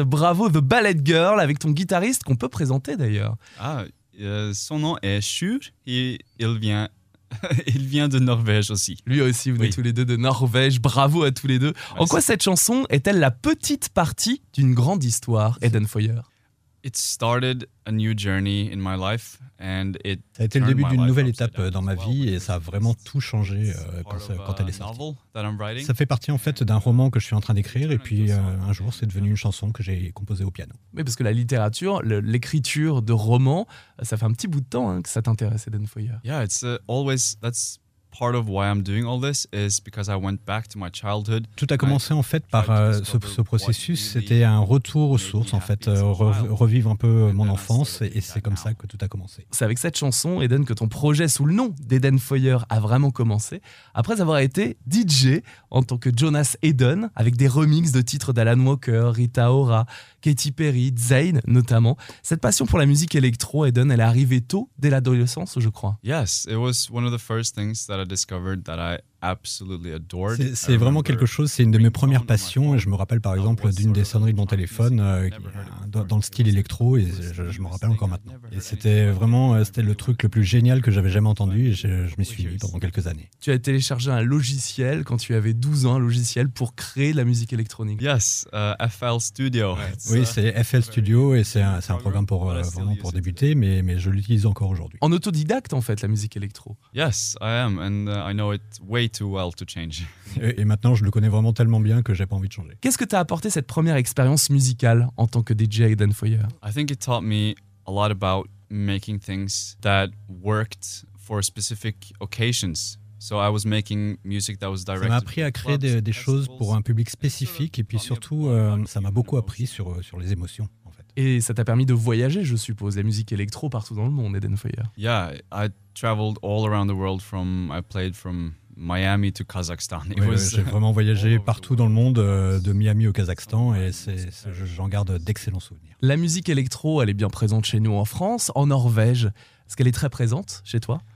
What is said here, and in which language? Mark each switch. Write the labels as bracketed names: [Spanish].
[French] Bravo The Ballet Girl avec ton guitariste qu'on peut présenter d'ailleurs. Ah, son nom est Sjur et il vient de Norvège aussi. Lui aussi, vous venez tous les deux de Norvège. Bravo à tous les deux. Merci. En quoi cette chanson est-elle la petite partie d'une grande histoire, Eden Foyer? [English] It started a new journey in my life and it [French] ça a été le début d'une nouvelle étape dans ma vie et ça a vraiment tout changé quand elle est sortie. Ça fait partie en fait d'un roman que je suis en train d'écrire et puis un jour c'est devenu une chanson que j'ai composée au piano. Mais parce que la littérature, l'écriture de romans, ça fait un petit bout de temps que ça t'intéresse, Eden Foyer. [English] Yeah, it's always that's part of why I'm doing all this is because I went back to my childhood. [French] Tout a commencé en fait par ce processus. C'était un retour aux sources, en fait, revivre un peu mon enfance, et c'est comme ça que tout a commencé. C'est avec cette chanson, Eden, que ton projet sous le nom d'Eden Foyer a vraiment commencé. Après avoir été DJ en tant que Jonas Eden, avec des remixes de titres d'Alan Walker, Rita Ora, Katy Perry, Zayn notamment. Cette passion pour la musique électro, Eden, elle est arrivée tôt, dès l'adolescence, je crois. [English] Yes, it was one of the first things that I discovered that I absolutely adored. [French] C'est vraiment quelque chose, c'est une de mes premières passions. Je me rappelle par exemple d'une des sonneries de mon téléphone dans le style électro, et je me rappelle encore maintenant. Et c'était le truc le plus génial que j'avais jamais entendu, et je m'y suis mis pendant quelques années. Tu as téléchargé un logiciel quand tu avais 12 ans, un logiciel pour créer de la musique électronique. [English] Yes, FL Studio. [French] Oui, c'est FL Studio, et c'est un programme pour débuter, mais je l'utilise encore aujourd'hui. En autodidacte en fait, la musique électro. [English] Yes, I am, and I know it way too well to change. [French] Et maintenant, je le connais vraiment tellement bien que j'ai pas envie de changer. Qu'est-ce que t'a apporté cette première expérience musicale en tant que DJ Eden Foyer? [English] I think it taught me a lot about making things that worked for specific occasions. So I was making music that was directed. [French] Ça m'a appris à créer des choses pour un public spécifique, et puis surtout, ça m'a beaucoup appris sur les émotions, en fait. Et ça t'a permis de voyager, je suppose, la musique électro partout dans le monde, Eden Foyer. [English] Yeah, I traveled all around the world from. I played from Miami to Kazakhstan. [French] J'ai vraiment voyagé partout dans le monde, de Miami au Kazakhstan, et j'en garde d'excellents souvenirs. La musique électro, elle est bien présente chez nous en France, en Norvège. Est-ce qu'elle est très présente chez toi?